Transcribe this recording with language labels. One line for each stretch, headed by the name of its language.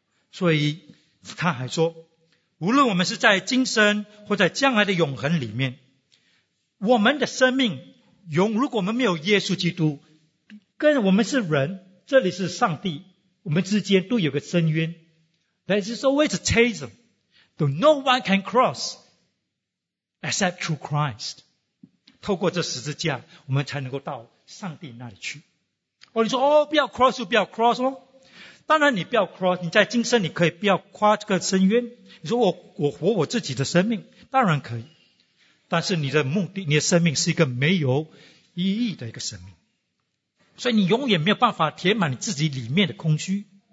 Chinese: 所以他还说，无论我们是在今生或在将来的永恒里面，我们的生命如果我们没有耶稣基督，跟我们是人，这里是上帝，我们之间都有个深渊。
English: There is always a chasm that no one can cross except through Christ.
Chinese: 透过这十字架我们才能够到上帝那里去。你说不要 cross 就不要 cross 咯。当然你不要 cross， 你在今生你可以不要跨这个深渊。你说我活我自己的生命，当然可以。但是你的目的，你的生命是一个没有意义的一个生命，所以你永远没有办法填满你自己里面的空虚。